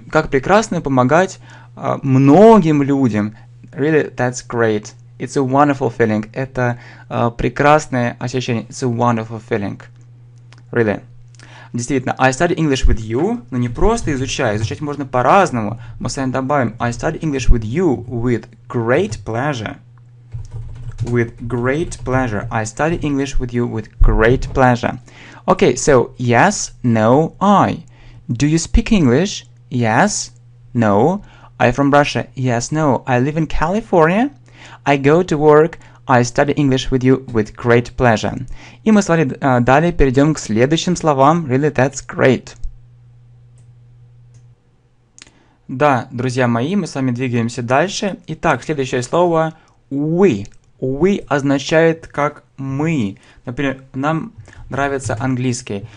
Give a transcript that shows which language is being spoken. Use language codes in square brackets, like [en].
[ru] Как прекрасно помогать многим людям. [en] Really, that's great. It's a wonderful feeling. [ru] Это прекрасное ощущение. [en] It's a wonderful feeling. Really. [ru] Действительно, [en] I study English with you. [ru] Но не просто изучаю. Изучать можно по-разному. Мы с вами добавим. [en] I study English with you with great pleasure. With great pleasure. I study English with you with great pleasure. Okay, so yes, no, I. Do you speak English? Yes, no. I from Russia. Yes, no. I live in California. I go to work. I study English with you with great pleasure. [ru] И мы с вами далее перейдем к следующим словам. [en] Really, that's great. [ru] Да, друзья мои, мы с вами двигаемся дальше. Итак, следующее слово we. We означает как мы. Например, нам нравится английский.